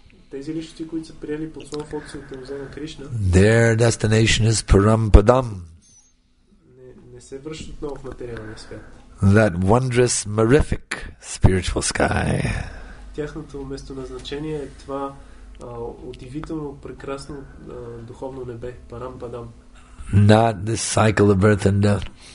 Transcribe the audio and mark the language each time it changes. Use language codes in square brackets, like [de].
[bg] Тези личности, които са приели под своя функция от земя Кришна, [en] their destination is Парампадам. [bg] Не се връщат отново в материалния свят. [en] That wondrous, mirific spiritual sky. [bg] Тяхното местоназначение е това удивително, прекрасно духовно небе, Парампадам. [en] Not this cycle of birth and death.